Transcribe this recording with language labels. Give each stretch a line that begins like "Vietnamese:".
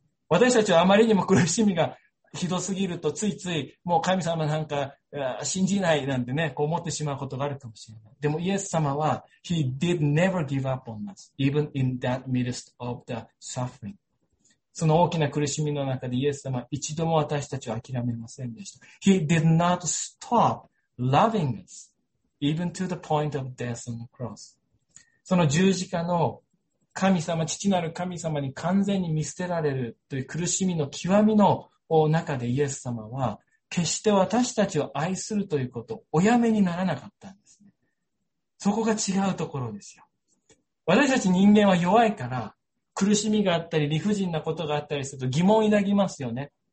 Japanese: 私たちはあまりにも苦しみがひどすぎるとついついもう神様なんか信じないなんてね、こう思ってしまうことがあるかもしれない。でもイエス様は
English: He did never give up on us, even in that midst of the suffering.
Japanese: その大きな苦しみの中でイエス様は一度も私たちを諦めませんでした。
English: He did not stop loving us, even to the point of death on the cross.
Japanese: その十字架の神様、父なる神様に完全に見捨てられるという苦しみの極みの中でイエス様は決して私たちを愛するということをおやめにならなかったんですね。そこが違うところですよ。私たち人間は弱いから苦しみがあったり理不尽なことがあったりすると疑問を抱きますよね。